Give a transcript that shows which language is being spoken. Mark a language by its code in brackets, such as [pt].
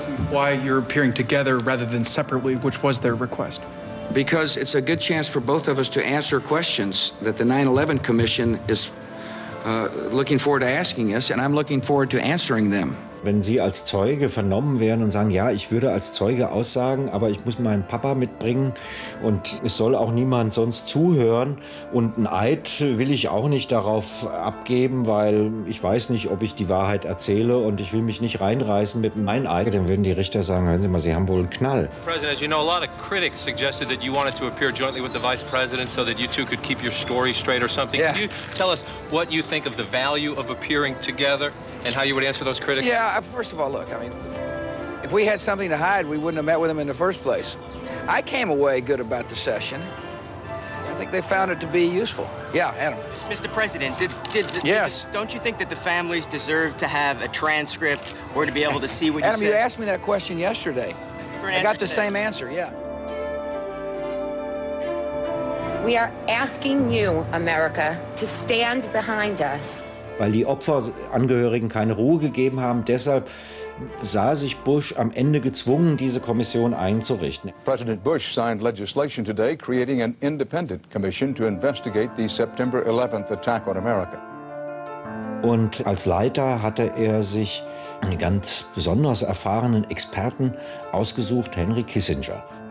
[en] Why you're appearing together rather than separately, which was their request? Because it's a good chance for both of us to answer questions that the 9/11 Commission is looking forward to asking us, and I'm looking forward to answering them. [de] Wenn Sie als Zeuge vernommen werden und sagen, ja, ich würde als Zeuge aussagen, aber ich muss meinen Papa mitbringen und es soll auch niemand sonst zuhören und ein Eid will ich auch nicht darauf abgeben, weil ich weiß nicht, ob ich die Wahrheit erzähle und ich will mich nicht reinreißen mit meinem Eid, dann würden die Richter sagen, hören Sie mal, Sie haben wohl einen Knall. [en] President, as you know, a lot of critics suggested that you wanted to appear jointly with the Vice President so that you two could keep your story straight or something. Yeah. Can you tell us what you think of the value of appearing together? And how you would answer those critics? Yeah, first of all, look, I mean, if we had something to hide, we wouldn't have met with them in the first place. I came away good about the session. I think they found it to be useful. Yeah, Adam. Mr. President, don't you think that the families deserve to have a transcript or to be able to see what Adam, you said? Adam, you asked me that question yesterday. I got the same answer, yeah. We are asking you, America, to stand behind us. [de] Weil die Opferangehörigen keine Ruhe gegeben haben. Deshalb sah sich Bush am Ende gezwungen, diese Kommission einzurichten. [en] President Bush signed legislation today creating an independent commission to investigate the September 11th attack on America. [de] Und als Leiter hatte er sich einen ganz besonders erfahrenen Experten ausgesucht, Henry Kissinger.